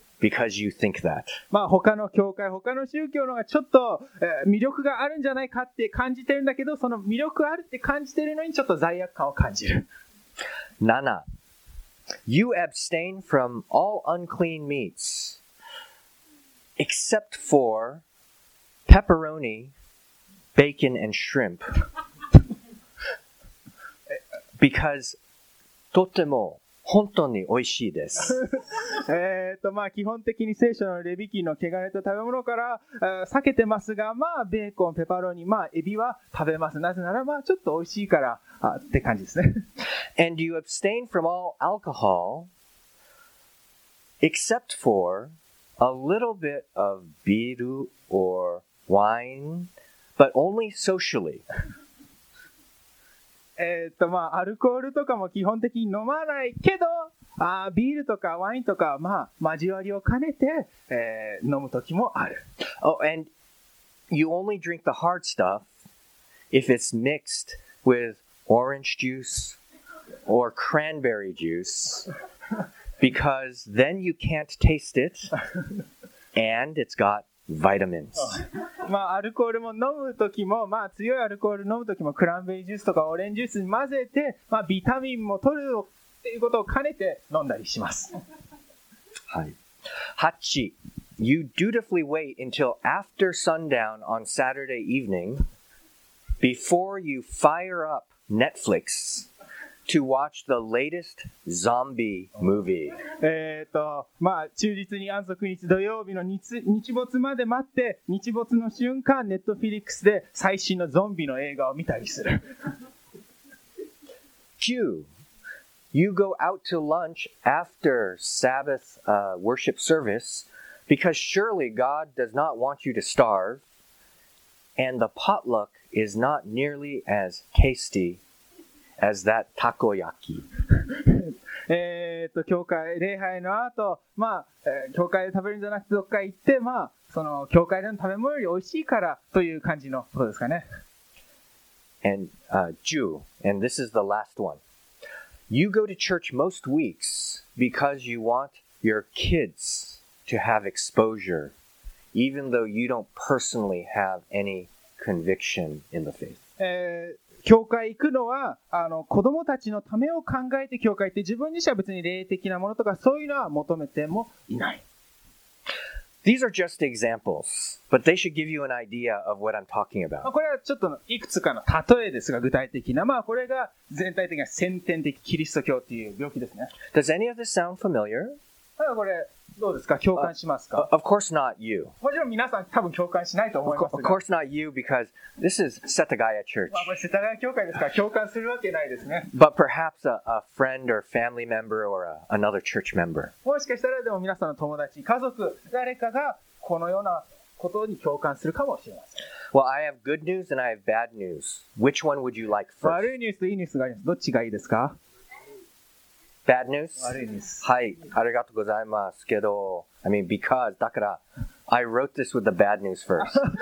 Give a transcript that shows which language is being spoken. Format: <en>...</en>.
<en>Because you think that.</en> <ja>まあ他の教会、他の宗教の方がちょっと、魅力があるんじゃないかって感じてるんだけど、その魅力あるって感じてるのにちょっと罪悪感を感じる。</ja> <en>7. You abstain from all unclean meats, except for pepperoni, bacon and shrimp. Because</en> <ja>とても本当に美味しいです。まあ基本的に聖書のレビ記の汚れた食べ物から、避けてますが、まあベーコン、ペパロニ、まあエビは食べます。なぜならまあちょっと美味しいからって感じですね。</ja> <en>And you abstain from all alcohol except for a little bit of beer or wine, but only socially.</en> <ja>まあ、アルコールとかも基本的に飲まないけど、ビールとかワインとか、まあ、交わりを兼ねて、飲む時もある。</ja> <en>Oh, and you only drink the hard stuff if it's mixed with orange juice or cranberry juice because then you can't taste it and it's got vitamins.</en> <ja>まあ、アルコールも飲むときも、まあ、強いアルコール飲むときも、クランベリージュースとかオレンジジュースに混ぜて、まあ、ビタミンも取るっていうことを兼ねて飲んだりします。はい。8.</ja> <en>You dutifully wait until after sundown on Saturday evening before you fire up Netflix. To watch the latest zombie movie.</en> <ja>まあ、忠実に安息日土曜日の 日没まで待って、日没の瞬間、ネットフィリックスで最新のゾンビの映画を見たりする。</ja> <en>9. You go out to lunch after Sabbath, worship service because surely God does not want you to starve and the potluck is not nearly as tasty. As that たこ焼き。</en> <ja>教会礼拝の後、まあ、教会で食べるんじゃなくてどっか行って、まあ、その教会での食べ物より美味しいからという感じのことですかね。</ja> <en>and Jew, and this is the last one. You go to church most weeks because you want your kids to have exposure, even though you don't personally have any conviction in the faith.</en> <ja>教会行くのは、子供たちのためを考えて教会って自分自身は別に霊的なものとかそういうのは求めてもいない。</ja> <en>These are just examples, but they should give you an idea of what I'm talking about.</en> <ja>これはちょっといくつかの例えですが、具体的な。まあ、これが全体的な先天的キリスト教っていう病気ですね。</ja> <en>Does any of this sound familiar?</en> <ja>これどうですか共感しますか</ja> <en>of course not you.</en> <ja>もちろん皆さん多分共感しないと思いますが。</ja> <en>Of course not you because this is Setagaya Church.</en> <ja>まあ、これ世田谷教会ですから共感するわけないですね。</ja> <en>But perhaps a friend or family member or another church member.</en> <ja>もしかしたらでも皆さんの友達、家族、誰かがこのようなことに共感するかもしれません。</ja> <en>Well, I have good news and I have bad news. Which one would you like first?</en> <ja>悪いニュースといいニュースがあります。どっちがいいですか</ja> <en>Bad news?</en> <ja>悪いニュース。はい。ありがとうございますけど、</ja> <en>I mean, because,</en> <ja>だから、</ja> <en>I wrote this with the bad news first.</en>